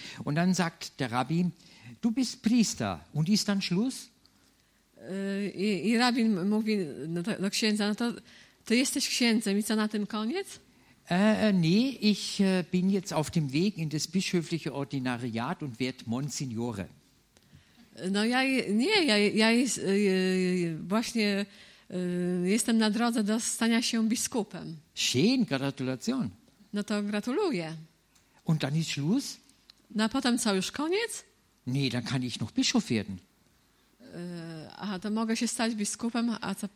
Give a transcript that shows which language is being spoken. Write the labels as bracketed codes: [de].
[de] Und dann sagt der Rabbi, du bist Priester und ist dann Schluss? [pl] I rabin mówi do księdza, no to ty jesteś księdzem i co na tym koniec? [de] Nee, ich bin jetzt auf dem Weg in das bischöfliche Ordinariat und werde Monsignore. [pl] No ja, nie, ja właśnie jestem na drodze do stania się biskupem. [de] Schön, gratulation. [pl] No to gratuluję. [de] Und dann ist Schluss? [pl] Na potem co, już koniec? [de] Nee, dann kann ich noch Bischof werden. [pl] Aha, to mogę się stać biskupem, a co?